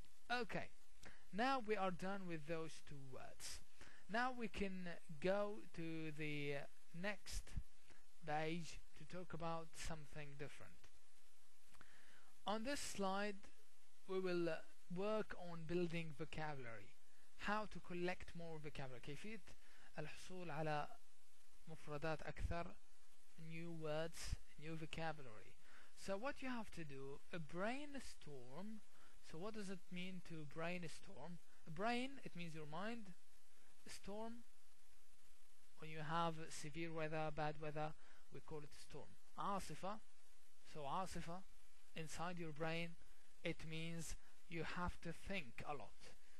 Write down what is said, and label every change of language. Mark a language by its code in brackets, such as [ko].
[en] Okay, now we are done with those two words. Now we can go to the next beige to talk about something different. On this slide, we will work on building vocabulary. How to collect more vocabulary. [ar] كيفية الحصول على مفردات أكثر, [en] new words, new vocabulary. So what you have to do, a brainstorm. So what does it mean to brainstorm? A brain, it means your mind. A storm, when you have severe weather, bad weather, we call it a storm. عاصفة, so عاصفة, inside your brain, it means you have to think a lot.